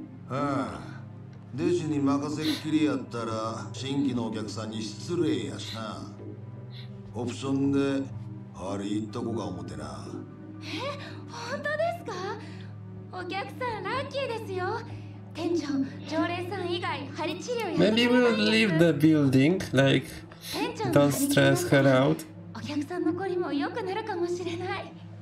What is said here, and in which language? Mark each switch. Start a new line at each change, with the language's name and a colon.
Japanese: ああ、弟子に任せっきりやったら新規のお客さんに失礼やしな。オプションでハリー行っとこうか思てな。え、本当ですか？お客さんラッキーですよ。店長、常連さん以外ハリ治療やってくれないですか？
English: Maybe we'll leave the building, like, don't stress her out.
Japanese: お客さん残りも良くなるかもしれない。